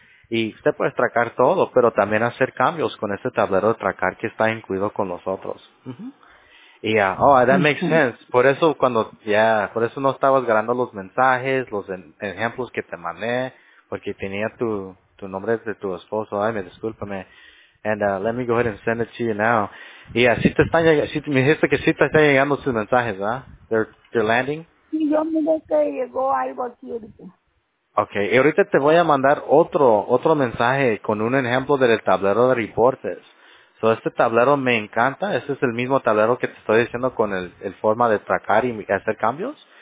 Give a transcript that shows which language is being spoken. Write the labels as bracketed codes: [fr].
[es] y usted puede tracar todo, pero también hacer cambios con este tablero de tracar que está incluido con nosotros. Y [en] that makes sense. [es] Por eso cuando por eso no estabas grabando los mensajes, los ejemplos que te mandé, porque tenía tu nombre de tu esposo. Ay, me discúlpame. [en] And let me go ahead and send it to you now. [es] Y así te están llegando, me dijiste que sí te están llegando sus mensajes, ¿ah? [en] They're landing. [es] Sí, yo miré que llegó algo aquí ahorita. Okay, y ahorita te voy a mandar otro mensaje con un ejemplo del tablero de reportes. So, este tablero me encanta. Este es el mismo tablero que te estoy diciendo con el forma de tracar y hacer cambios.